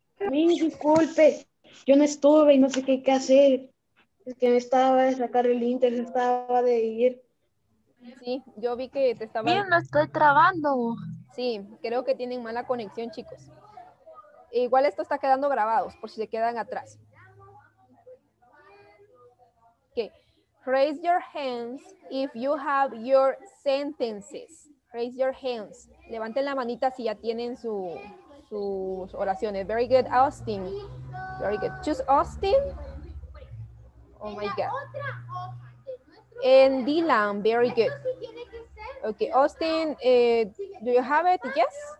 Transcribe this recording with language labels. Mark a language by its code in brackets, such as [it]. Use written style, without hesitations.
[es] Mi disculpe, yo no estuve y no sé qué hacer. Es que me estaba de sacar el inter, estaba de ir. Sí, yo vi que te estaba... Bien, me estoy trabando. Sí, creo que tienen mala conexión, chicos. E igual esto está quedando grabado, por si se quedan atrás. [en] Ok, raise your hands if you have your sentences. Raise your hands. [es] Levanten la manita si ya tienen sus oraciones. [en] Very good, Austin. Very good. Choose Austin. Oh my God. And Dylan. Very good. Okay, Austin. Do you have it? Yes.